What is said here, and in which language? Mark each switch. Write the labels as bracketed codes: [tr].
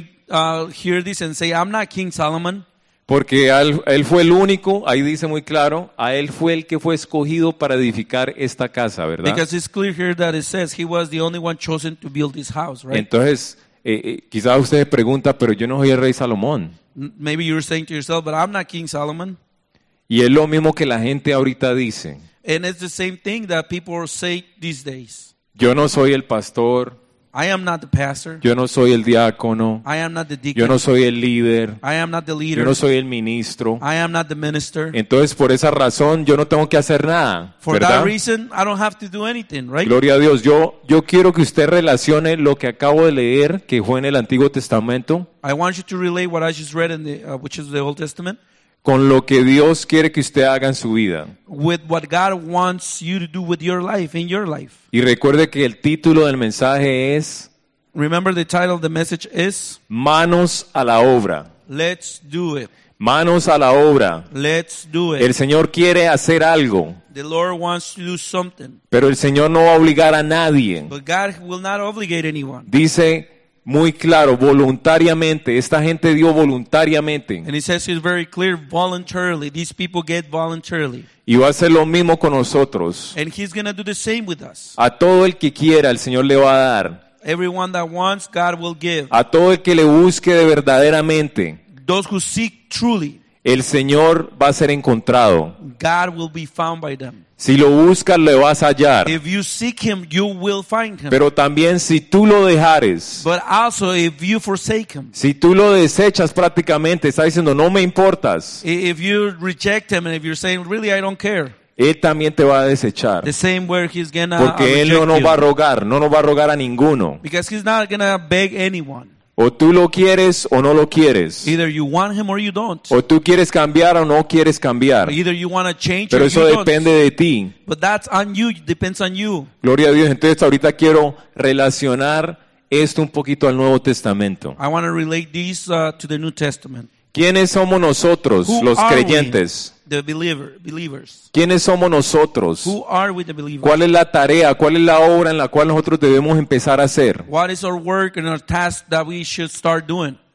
[en] Hear this and say, I'm not King Solomon. [es] Porque él fue el único, ahí dice muy claro, a él fue el que fue escogido para edificar esta casa, ¿verdad? [en] Because it's clear here that it says he was the only one chosen to build this house, right? [es] Entonces, quizás usted se pregunta, pero yo no soy el rey Salomón. [en] Maybe you're saying to yourself, but I'm not King Solomon. [es] Y es lo mismo que la gente ahorita dice. [en] And it's the same thing that people say these days. [es] Yo no soy el pastor. [en] I am not the pastor. [es] Yo no soy el diácono. [en] I am not the deacon. [es] Yo no soy el líder. [en] I am not the leader. [es] Yo no soy el ministro. [en] I am not the minister. [es] Entonces, por esa razón, yo no tengo que hacer nada. [en] For [es] ¿verdad? [en] That reason, I don't have to do anything, right? [es] Gloria a Dios. Yo quiero que usted relacione lo que acabo de leer, que fue en el Antiguo Testamento. [en] I want you to relate what I just read in which is the Old Testament. [es] Con lo que Dios quiere que usted haga en su vida. [en] With what God wants you to do with your life, in your life. [es] Y recuerde que el título del mensaje es. [en] Remember the title of the message is. [es] Manos a la obra. [en] Let's do it. [es] Manos a la obra. [en] Let's do it. [es] El Señor quiere hacer algo. [en] The Lord wants to do something. [es] Pero el Señor no va a obligar a nadie. [en] But God will not obligate anyone. [es] Dice. Muy claro, voluntariamente. Esta gente dio voluntariamente. [en] And it says it's very clear, voluntarily. These people get voluntarily. [es] Y va a hacer lo mismo con nosotros. [en] And he's going to do the same with us. [es] A todo el que quiera, el Señor le va a dar. [en] Everyone that wants, God will give. [es] A todo el que le busque de verdaderamente. [en] Those who seek truly. [es] El Señor va a ser encontrado. [en] God will be found by them. [es] Si lo buscas, le vas a hallar. [en] If you seek him, you will find him. [es] Pero también si tú lo dejares. [en] But also if you forsake him. [es] Si tú lo desechas prácticamente, está diciendo, no me importas. [en] If you reject him and if you're saying, really, I don't care. [es] Él también te va a desechar. [en] The same way he's gonna reject you. [es] Porque él no nos va a rogar, no nos va a rogar a ninguno. [en] Because he's not gonna beg anyone. [es] O tú lo quieres o no lo quieres. [en] Either you want him or you don't. [es] O tú quieres cambiar o no quieres cambiar. [en] Either you want to change. [es] Pero [en] or [es] eso [en] you [es] depende [en] don't. [es] De ti. [en] But that's on you. It depends on you. [es] Gloria a Dios. Entonces ahorita quiero relacionar esto un poquito al Nuevo Testamento. [en] I want to relate this to the New Testament. [es] ¿Quiénes somos nosotros, [en] who [es] los creyentes? [en] We, the believers. [es] ¿Quiénes somos nosotros? [en] Who are we, the believers? [es] ¿Cuál es la tarea? ¿Cuál es la obra en la cual nosotros debemos empezar a hacer? [en] What is our work and our task that we should start doing?